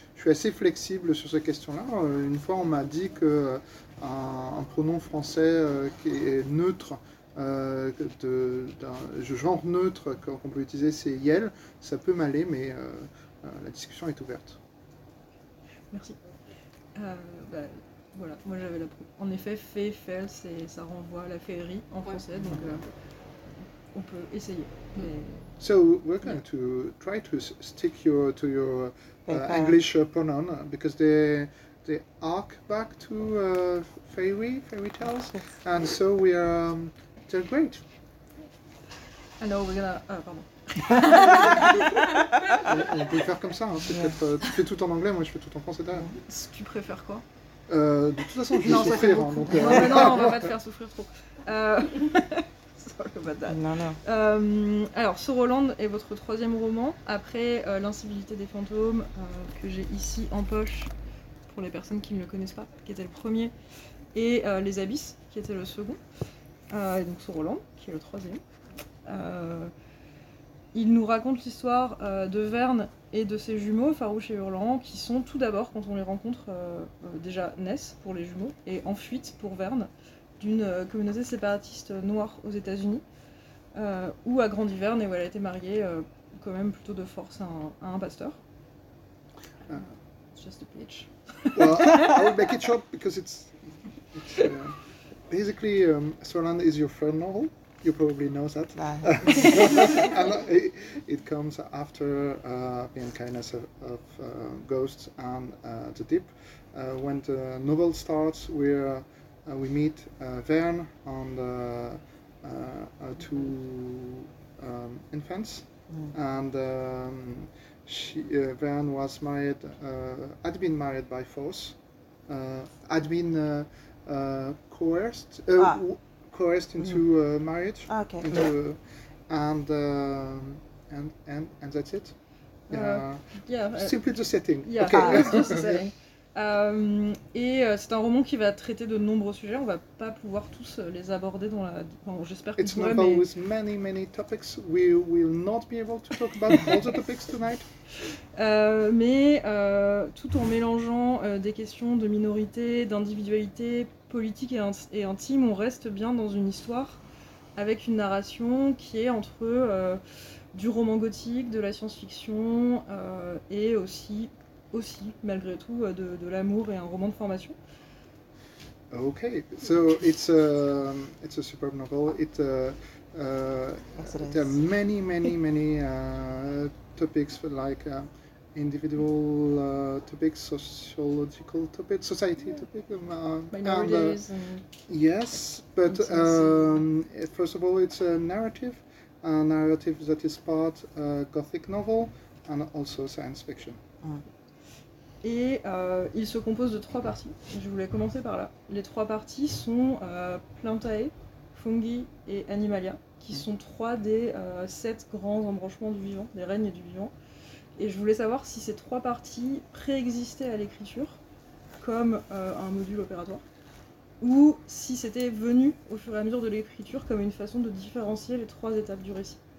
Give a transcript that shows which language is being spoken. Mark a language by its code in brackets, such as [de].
[fr] Je suis assez flexible sur ces questions-là. Une fois, on m'a dit qu'un pronom français qui est neutre, d'un genre neutre qu'on peut utiliser, c'est « yel », ça peut m'aller, mais la discussion est ouverte. Merci. Voilà, moi j'avais la preuve. En effet, fée, fell, c'est, ça renvoie à la féerie en français, donc on peut essayer. Mais... [en] So we're going to try to stick your, to your English pronoun, because they arc back to fairy, fairy tales, and so we are, they're great. [fr] Alors, [en] we're gonna, [fr] pardon. On peut faire comme ça, hein, c'est peut-être, tu fais tout en anglais, moi je fais tout en français derrière. Si tu préfères quoi? De toute façon, je vais souffrir. Non, on va pas te faire souffrir trop. [en] Sorry about that. [fr] Non, non. Alors, Soroland est votre troisième roman, après L'incivilité des fantômes, que j'ai ici en poche. Pour les personnes qui ne le connaissent pas, qui était le premier, et Les Abysses, qui était le second, et donc Soroland, qui est le troisième. Il nous raconte l'histoire de Verne et de ses jumeaux, Farouche et Hurlant, qui sont tout d'abord, quand on les rencontre, déjà Ness pour les jumeaux, et en fuite pour Verne, d'une communauté séparatiste noire aux États-Unis, où a grandi Verne et où elle a été mariée, quand même plutôt de force, à un pasteur. [en] Just a pitch. Well, I will make it short because it's basically Soroland is your third novel. You probably know that. it comes after being kindness of ghosts and the deep. When the novel starts, we meet Verne and two infants and. Verne was married, had been married by force, had been coerced into marriage. Okay. Into, and that's it. Simply the setting. Yeah, okay. Just the setting. [fr] Et c'est un roman qui va traiter de nombreux sujets. On va pas pouvoir tous les aborder dans la. Enfin, j'espère que. [en] It's a novel with many many topics. We will not be able to talk about all the topics tonight. [fr] Mais tout en mélangeant des questions de minorité, d'individualité, politique et intime, on reste bien dans une histoire avec une narration qui est entre du roman gothique, de la science-fiction et aussi malgré tout de l'amour et un roman de formation. [en] Okay, so it's a superb novel. There are many many many topics for like individual topics, sociological topics, society topics, yes, but first of all it's a narrative that is part gothic novel and also science fiction. [fr] Et il se compose de trois parties, je voulais commencer par là. Les trois parties sont Plantae, Fungi et Animalia, qui sont trois des sept grands embranchements du vivant, des règnes du vivant. Et je voulais savoir si ces trois parties préexistaient à l'écriture, comme un module opératoire, ou si c'était venu au fur et à mesure de l'écriture comme une façon de différencier les trois étapes du récit.